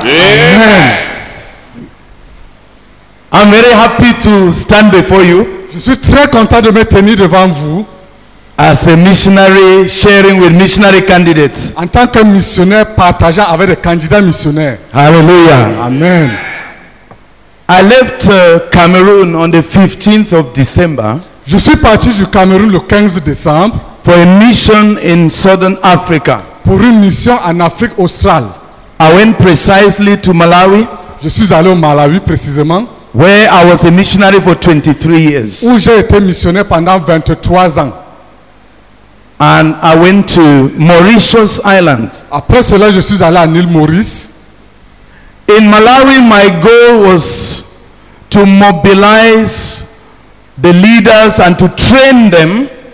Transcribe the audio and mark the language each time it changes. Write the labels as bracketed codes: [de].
[en] Amen. Amen. I'm very happy to stand before you. [fr] Je suis très content de me tenir devant vous. [en] As a missionary sharing with missionary candidates. [fr] En tant que missionnaire partageant avec des candidats missionnaires. Hallelujah. Amen. [en] I left Cameroon on the 15th of December. [fr] Je suis parti du Cameroun le 15 décembre [en] for a mission in Southern Africa. [fr] Pour une mission en Afrique australe. [en] I went precisely to Malawi. [fr] Je suis allé au Malawi précisément. [en] Where I was a missionary for 23 years. [fr] Où j'ai été missionnaire pendant 23 ans. [en] And I went to Mauritius Island. [fr] Après cela, je suis allé à l'île Maurice. [en] In Malawi, my goal was to mobilize the leaders and to train them.